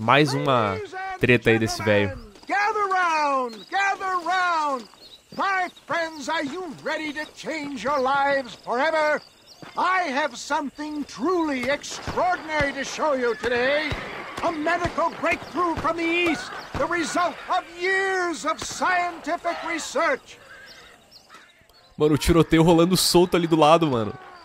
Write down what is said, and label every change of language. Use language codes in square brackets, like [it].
[pt] Mais uma treta aí desse velho. [en] Gather round. My friends, are you ready to change your lives forever? I have something truly extraordinary to show you today. A medical breakthrough from the East, the result of years of scientific research. [pt] Mano, o tiroteio rolando solto ali do lado, mano.